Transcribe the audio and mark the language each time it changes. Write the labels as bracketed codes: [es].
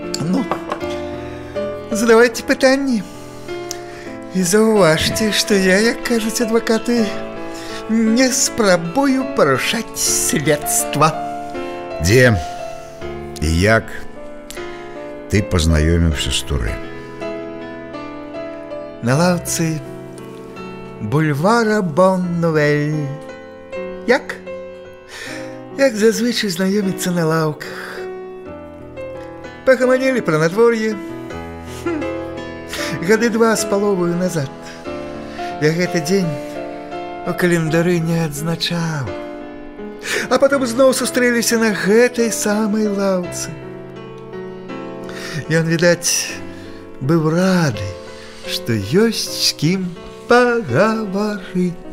[uk] Ну, задавайте питання. І зауважте, що я, як кажуть адвокати, не спробую порушати слідство. Де і як ти познайомився з Туре? На лавці бульвара Бон-Новель. Як? Як зазвичай знайомиться на лавках. Погомонили про надвор'я. [be] Годи 2.5 назад я гэты день у календары не адзначаў. А потом знов сустрэліся на гэтай самой лавцы. Ён, відаць, быў рады, што ёсць з кім пагаварыць.